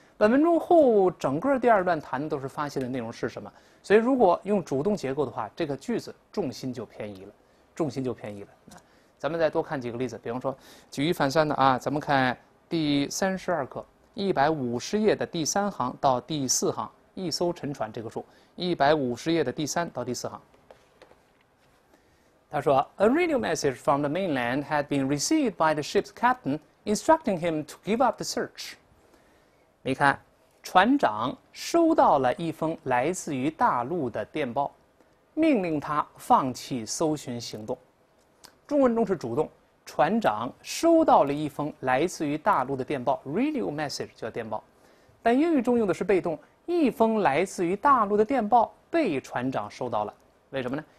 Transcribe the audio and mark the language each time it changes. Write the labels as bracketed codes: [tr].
[zh] 本文中后整个第二段谈的都是发现的内容是什么，所以如果用主动结构的话，这个句子重心就偏移了，重心就偏移了。咱们再多看几个例子，比方说举一反三的啊，咱们看第32课150页的第三行到第四行，一艘沉船这个数，150页的第三到第四行。他说 [en] ，A radio message from the mainland had been received by the ship's captain, instructing him to give up the search. [zh] 你看，船长收到了一封来自于大陆的电报，命令他放弃搜寻行动。中文中是主动。船长收到了一封来自于大陆的电报 ，radio message 叫电报，但英语中用的是被动，一封来自于大陆的电报被船长收到了，为什么呢？